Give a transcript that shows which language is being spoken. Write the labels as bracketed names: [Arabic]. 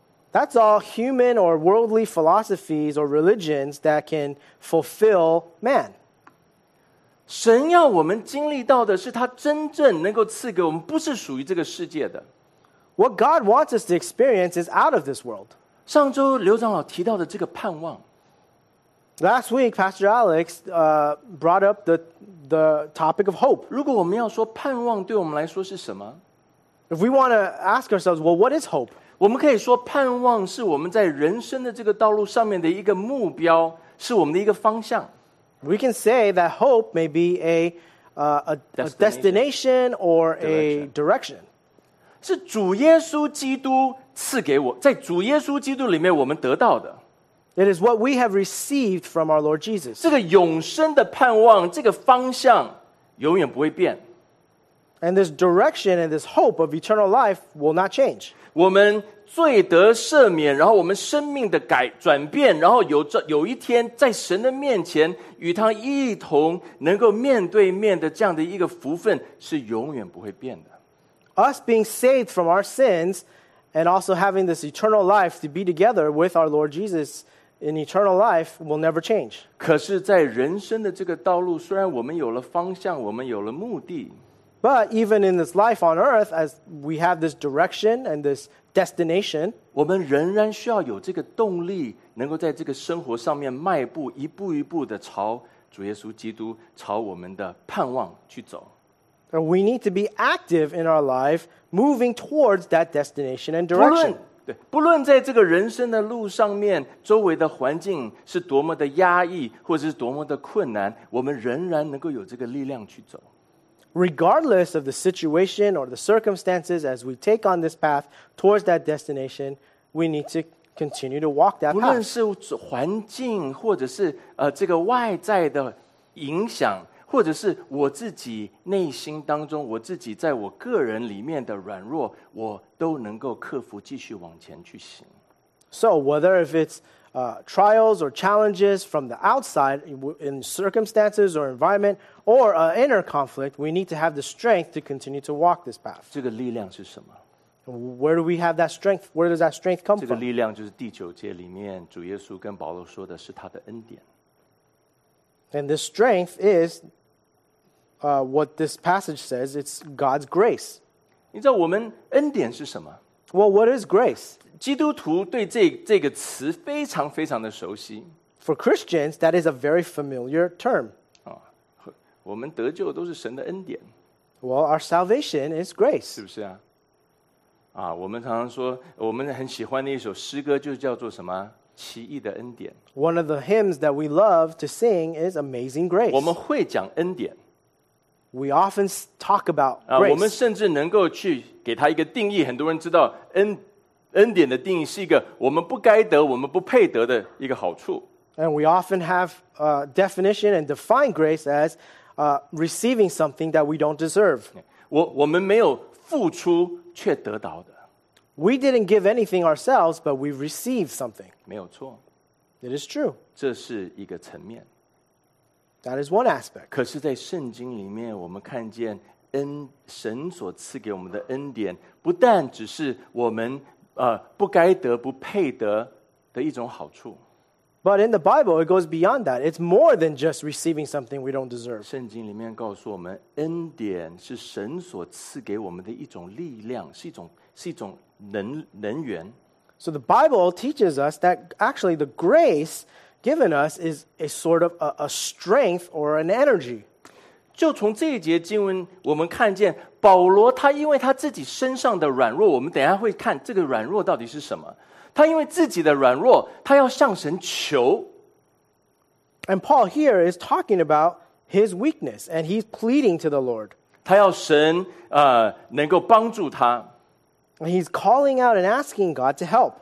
[English] That's all human or worldly philosophies or religions that can fulfill man. [Chinese] 神要我们经历到的是他真正能够赐给我们不是属于这个世界的。 [English] What God wants us to experience is out of this world. [Chinese] 上周刘长老提到的这个盼望。 [English] Last week, Pastor Alex brought up the topic of hope. [Chinese] 如果我们要说盼望对我们来说是什么？ [English] If we want to ask ourselves, well, what is hope? [Chinese] 我们可以说盼望是我们在人生的这个道路上面的一个目标，是我们的一个方向。 [English] We can say that hope may be a destination or a direction. [Chinese] 是主耶稣基督赐给我，在主耶稣基督里面我们得到的。 [English] It is what we have received from our Lord Jesus. [Chinese] 这个永生的盼望，这个方向永远不会变。 [English] And this direction and this hope of eternal life will not change. [Chinese] 我们罪得赦免，然后我们生命的改转变，然后有一天在神的面前与他一同能够面对面的这样的一个福分是永远不会变的。 [English] Us being saved from our sins and also having this eternal life to be together with our Lord Jesus in eternal life will never change. [Chinese] 可是在人生的这个道路，虽然我们有了方向，我们有了目的。 [English] But even in this life on earth, as we have this direction and this destination, [Chinese] 我们仍然需要有这个动力，能够在这个生活上面迈步，一步一步的朝主耶稣基督，朝我们的盼望去走。 [English] And we need to be active in our life, moving towards that destination and direction. [Chinese] 不论在这个人生的路上面，周围的环境是多么的压抑，或者是多么的困难，我们仍然能够有这个力量去走。 [English] Regardless of the situation or the circumstances, as we take on this path towards that destination, we need to continue to walk that path. [Chinese] 不论是环境，或者是这个外在的影响，或者是我自己内心当中，我自己在我个人里面的软弱，我都能够克服，继续往前去行。 [English] So whether if it's trials or challenges from the outside in circumstances or environment or an inner conflict, we need to have the strength to continue to walk this path. [Chinese] 这个力量是什么？ [English] Where do we have that strength? Where does that strength come from? [Chinese] 这个力量就是第九节里面主耶稣跟保罗说的是他的恩典。 [English] And this strength is what this passage says, it's God's grace. [Chinese] 你知道我们恩典是什么？ [English] Well, what is grace? [Chinese] 基督徒对这个词非常非常的熟悉。 [English] For Christians, that is a very familiar term. [Chinese] 我们得救都是神的恩典。 [English] Well, our salvation is grace. [Chinese] 是不是啊？我们常常说，我们很喜欢的一首诗歌就叫做什么？奇异的恩典。 [English] One of the hymns that we love to sing is Amazing Grace. [Chinese] 我们会讲恩典。 [English] We often talk about grace. [Chinese] 我们甚至能够去给它一个定义，很多人知道恩典的定义是一个我们不该得、我们不配得的一个好处。 [English] And we often have a definition and define grace as receiving something that we don't deserve. [Chinese] 我们没有付出却得到的。 [English] We didn't give anything ourselves, but we received something. [Chinese] 没有错。 [English] It is true. [Chinese] 这是一个层面。 [English] That is one aspect. [Chinese] 可是在圣经里面我们看见神所赐给我们的恩典不但只是我们不该得不配得的一种好处。 [English] But in the Bible, it goes beyond that. It's more than just receiving something we don't deserve. [Chinese] 圣经里面告诉我们，恩典是神所赐给我们的一种力量，是一种能源。 [English] So the Bible teaches us that actually the grace given us is a sort of a strength or an energy. [Chinese] 就从这一节经文，我们看见保罗他因为他自己身上的软弱，我们等一下会看这个软弱到底是什么。他因为自己的软弱，他要向神求。 [English] And Paul here is talking about his weakness, and he's pleading to the Lord. [Chinese] 他要神能够帮助他。 [English] He's calling out and asking God to help.